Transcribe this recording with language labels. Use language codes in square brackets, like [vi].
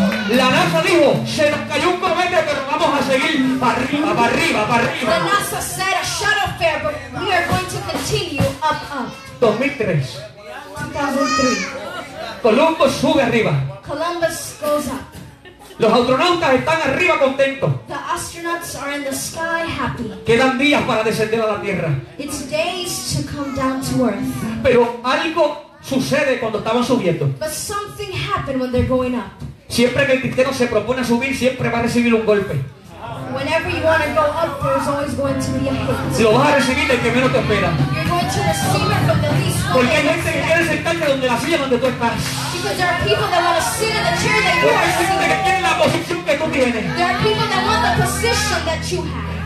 [es] La NASA dijo, se nos cayó un cohete, pero vamos a seguir para arriba, para arriba, para arriba. [en] The NASA said, a shuttle fair, but we are going to continue up, up. [es] 2003. [en] 2003. [es] Columbus sube arriba. [en] Columbus goes up. [es] Los astronautas están arriba contentos. [en] The astronauts are in the sky happy. [es] Quedan días para descender a la Tierra. [en] It's days to come down to Earth. [es] Pero algo sucede cuando estaban subiendo. [en] But something happened when they're going up. [es] Siempre que el cristiano se propone subir, siempre va a recibir un golpe. [en] Whenever you want to go up, there's always going to be a hit. [es] Si lo vas a recibir del que menos te espera. [en] You're going to receive it from the least one. [es] Porque hay gente que quiere sentarte donde la silla donde tú estás. [en] Because there are people that want to sit in the chair that you are sitting. [es] Porque quieren la posición que tú tienes. [en] There are people that want the position that you have.